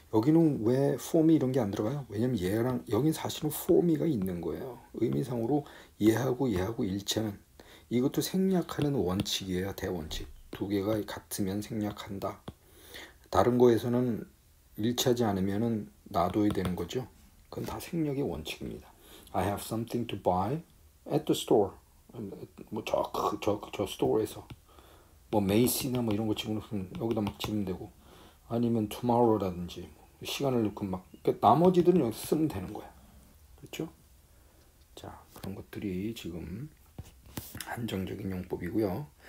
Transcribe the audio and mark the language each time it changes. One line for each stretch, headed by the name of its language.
Korean: 여기는 왜
English: for me
Korean: 이런 게 안 들어가요? 왜냐면 얘랑 여긴 사실은 for me가 있는 거예요. 의미상으로 얘하고 얘하고 일치하면 이것도 생략하는 원칙이에요. 대원칙. 두 개가 같으면 생략한다. 다른 거에서는 일치하지 않으면은 놔둬야 되는 거죠. 그건 다 생략의 원칙입니다.
English: I have something to buy at the store.
Korean: 뭐 저 스토어에서 뭐 메이시나 뭐 이런 거 지금 여기다 막 지면 되고 아니면 투모로우라든지 시간을 놓고 막 그러니까 나머지들은 여기서 쓰면 되는 거야. 그렇죠? 자, 그런 것들이 지금 한정적인 용법이고요.